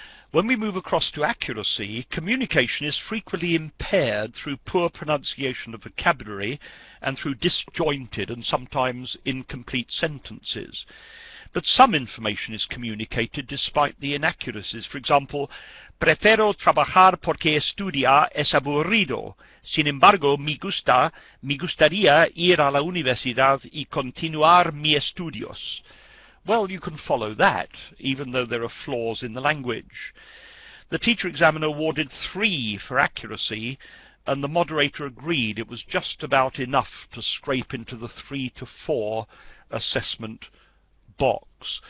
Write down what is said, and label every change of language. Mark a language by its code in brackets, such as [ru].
[en] When we move across to accuracy, communication is frequently impaired through poor pronunciation of vocabulary and through disjointed and sometimes incomplete sentences. But some information is communicated despite the inaccuracies. For example, [es] prefiero trabajar porque estudiar es aburrido. Sin embargo, me gustaría ir a la universidad y continuar mi estudios. [en] Well, you can follow that, even though there are flaws in the language. The teacher examiner awarded 3 for accuracy, and the moderator agreed it was just about enough to scrape into the 3 to 4 assessment box.